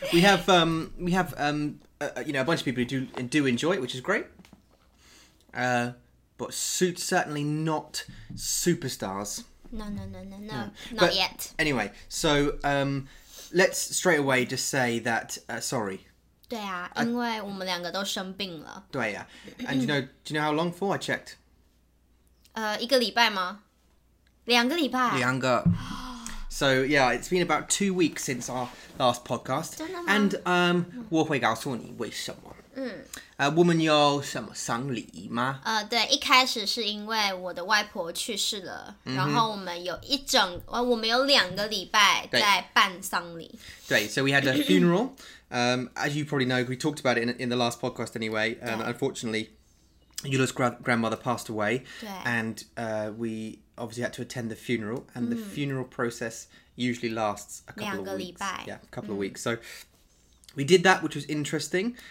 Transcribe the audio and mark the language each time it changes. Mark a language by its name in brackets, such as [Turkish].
[English] We have a bunch of people who do enjoy it, which is great. But certainly not superstars. No, not yet. Anyway, so let's straight away just say that, sorry. [Chinese] 对啊，因为我们两个都生病了。对啊。 [English] And do you know how long for? I checked. [Chinese] 一个礼拜吗？两个礼拜。两个。 [English] So yeah, it's been about 2 weeks since our last podcast. [Chinese] 真的吗? And 我会告诉你为什么。我们有什么丧礼吗？对，一开始是因为我的外婆去世了，然后我们有两个礼拜在办丧礼。 [English] 对 ，so we had a funeral. as you probably know, we talked about it in the last podcast anyway. Unfortunately, Yula's grandmother passed away, and we obviously had to attend the funeral. And the funeral process usually lasts a couple [Chinese] 两个礼拜 [English] of weeks. Yeah, a couple of weeks. So. We did that, which was interesting.